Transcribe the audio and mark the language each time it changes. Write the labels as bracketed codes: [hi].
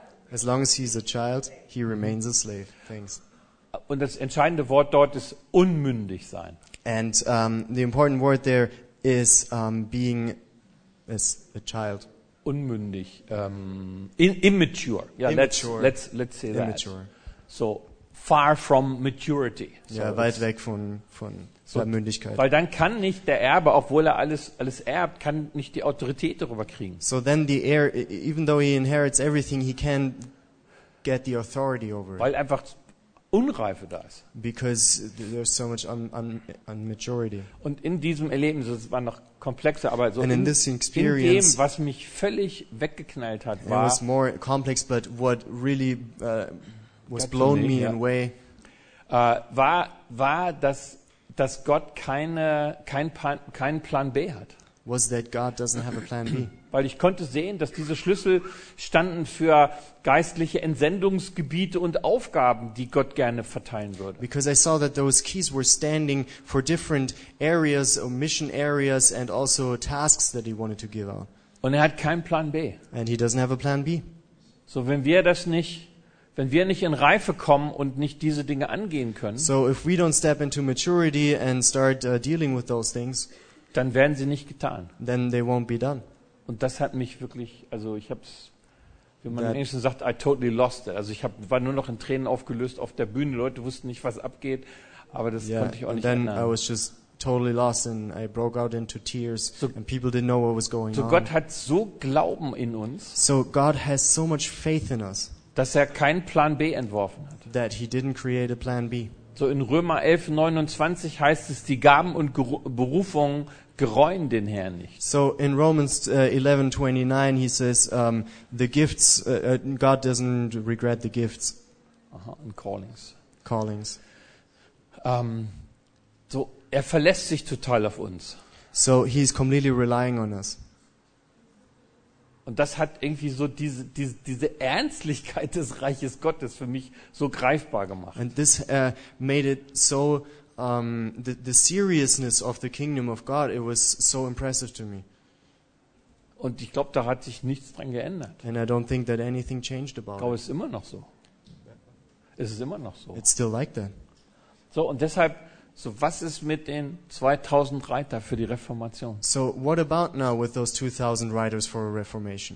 [en] As long as he's a child, he remains a slave. Thanks. [de] Und das entscheidende Wort dort ist unmündig sein. [en] And the important word there is being as a child. [de] Unmündig. [en] Immature. Yeah, immature. Let's say immature. That. So far from maturity. So [de] ja, weit weg von so, Mündigkeit. Weil dann kann nicht der Erbe, obwohl er alles erbt, kann nicht die Autorität darüber kriegen. [en] So then the heir, even though he inherits everything, he can't get the authority over it. [de] Weil einfach Unreife da ist. [en] Because there's so much immaturity. [de] Und in diesem Erlebnis, es war noch komplexer, aber so in dem, was mich völlig weggeknallt hat, war. [en] It was more complex, but what really was blown me away. [de] War dass Gott keinen Plan B hat. [en] Was that God doesn't have a plan B. [de] Weil ich konnte sehen, dass diese Schlüssel standen für geistliche Entsendungsgebiete und Aufgaben, die Gott gerne verteilen würde. [en] Because I saw that those keys were standing for different areas, or mission areas and also tasks that he wanted to give out. [de] Und er hat keinen Plan B. [en] And he doesn't have a plan B. [de] So wenn wir nicht in Reife kommen und nicht diese Dinge angehen können, [en] so if we don't step into maturity and start dealing with those things, [de] dann werden sie nicht getan. [en] Then they won't be done. [de] Und das hat mich wirklich, also ich habe es, wie man im Englischen sagt, [en] I totally lost it. [de] Also ich war nur noch in Tränen aufgelöst auf der Bühne. Leute wussten nicht, was abgeht, aber das konnte ich auch nicht ändern. [en] I was just totally lost and I broke out into tears and people didn't know what was going on. [de] So Gott hat so Glauben in uns. [en] So God has so much faith in us. [de] Dass er keinen Plan B entworfen hat. [en] That he didn't create a plan B. [de] So in Römer 11, 29 heißt es, die Gaben und Berufungen gereuen den Herrn nicht. [en] So in Romans 11, 29 he says, the gifts, God doesn't regret the gifts. Aha, and callings. Callings. [de] So er verlässt sich total auf uns. [en] So he's completely relying on us. [de] Und das hat irgendwie so diese Ernstlichkeit des Reiches Gottes für mich so greifbar gemacht. [en] And this made it so the seriousness of the kingdom of God, it was so impressive to me. [de] Und ich glaube, da hat sich nichts dran geändert. [en] And I don't think that anything changed about it. [de] Glaube, es ist immer noch so. Es ist immer noch so. [en] It's still like that. [de] So, und deshalb, so was ist mit den 2000 Reiter für die Reformation? [en] So, what about now with those 2000 riders for a Reformation?